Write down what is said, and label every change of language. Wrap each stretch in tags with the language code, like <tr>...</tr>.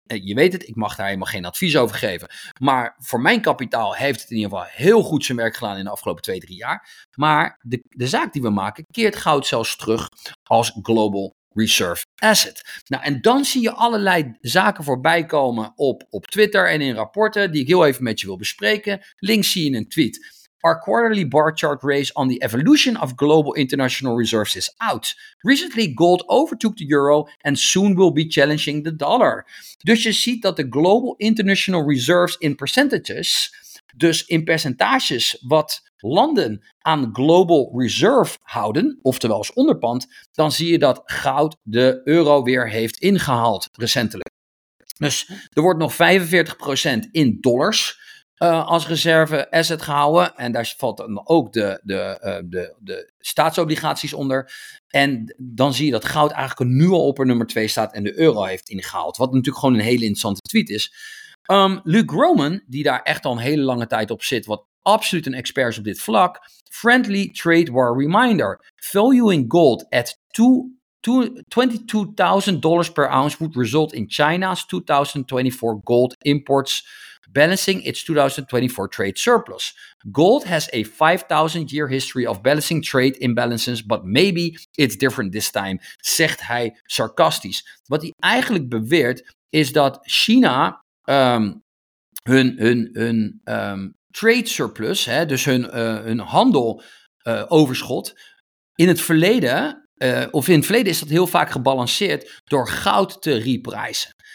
<nl>Je weet het, ik mag daar helemaal geen advies over geven. Maar voor mijn kapitaal heeft het in ieder geval heel goed zijn werk gedaan in de afgelopen 2-3 jaar. Maar de zaak die we maken keert goud zelfs terug als global reserve asset. Nou, en dan zie je allerlei zaken voorbij komen op Twitter en in rapporten die ik heel even met je wil bespreken. Links zie je een tweet.</nl> <en>Our quarterly bar chart race on the evolution of global international reserves is out. Recently, gold overtook the euro and soon will be challenging the dollar.</en> <nl>Dus je ziet dat de global international reserves in percentages, dus in percentages wat landen aan global reserve houden, oftewel als onderpand, dan zie je dat goud de euro weer heeft ingehaald recentelijk. Dus er wordt nog 45% in dollars als reserve asset gehouden. En daar valt dan ook de staatsobligaties onder. En dan zie je dat goud eigenlijk nu al op een nummer 2 staat en de euro heeft ingehaald. Wat natuurlijk gewoon een hele interessante tweet is. Luke Roman, die daar echt al een hele lange tijd op zit, wat absoluut een expert is op dit vlak.</nl> <en>Friendly trade war reminder. Valuing gold at $22,000 per ounce would result in China's 2024 gold imports balancing its 2024 trade surplus. Gold has a 5000 year history of balancing trade imbalances, but maybe it's different this time,</en> <nl>zegt hij sarcastisch. Wat hij eigenlijk beweert is dat China hun trade surplus, hè, dus hun handel overschot, in het verleden is dat heel vaak gebalanceerd door goud te reprijzen.</nl>